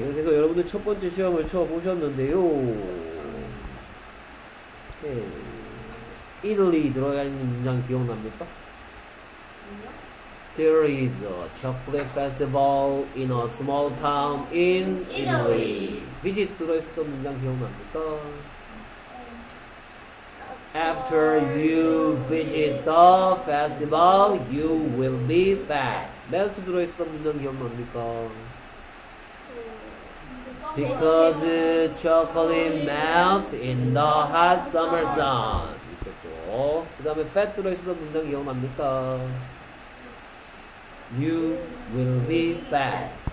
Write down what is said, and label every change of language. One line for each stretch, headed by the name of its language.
Korean: 그래서 여러분들 첫 번째 시험을 쳐보셨는데요. 오케이. 이들리 들어가 있는 문장 기억납니까?
English: There is a chocolate festival in a small town in Italy.
Korean: 비지 들어있었던 문장 기억납니까?
English: After you visit the festival, you will be fat.
Korean: 멜트 들어있었던 문장 기억납니까?
English: Because chocolate melts in the hot summer sun. 있었죠.
Korean: 그 다음에 fat 들어있었던 문장 기억납니까?
English: You will be fat.